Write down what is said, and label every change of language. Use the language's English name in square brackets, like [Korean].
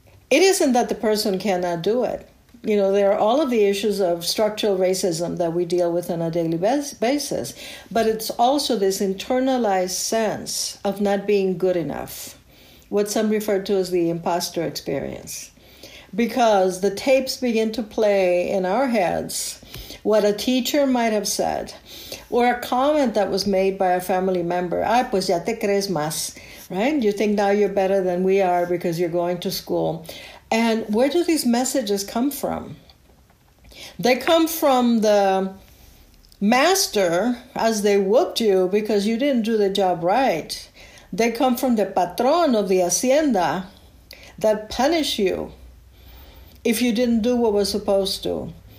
[English] It isn't that the person cannot do it. You know, there are all of the issues of structural racism that we deal with on a daily basis, but it's also this internalized sense of not being good enough, what some refer to as the imposter experience. Because the tapes begin to play in our heads what a teacher might have said or a comment that was made by a family member. [Spanish] Ay, pues ya te crees más, right? [English] You think now you're better than we are because you're going to school. And where do these messages come from? They come from the master as they whooped you because you didn't do the job right. They come from the patron of the hacienda that punished you if you didn't do what was supposed to.